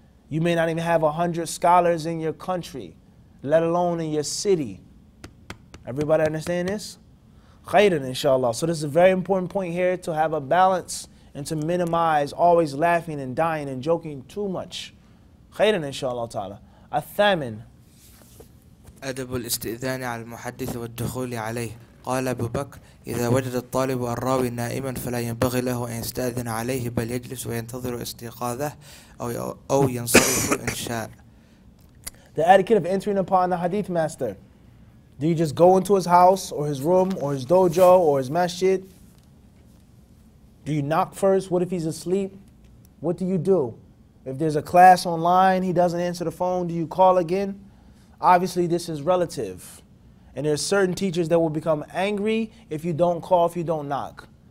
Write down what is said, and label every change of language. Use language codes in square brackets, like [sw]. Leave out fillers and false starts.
[en] You may not even have 100 scholars in your country, let alone in your city. Everybody understand this? Khayran, inshallah. So this is a very important point here, to have a balance and to minimize always laughing and dying and joking too much. Khayran, inshallah ta'ala. Al-Thamin. [ar] أدب الاستئذان على المحدث والدخول عليه. قال أبو بكر إذا وجد الطالب الراوي نائما فلا ينبغي له أن يستأذن عليه بل يجلس وينتظر استيقاظه أو ينصرف إن شاء. [en] The etiquette of entering upon the hadith master. Do you just go into his house or his room or his dojo or his masjid? Do you knock first? What if he's asleep? What do you do? If there's a class online, he doesn't answer the phone, do you call again? Obviously, this is relative. And there are certain teachers that will become angry if you don't call, if you don't knock.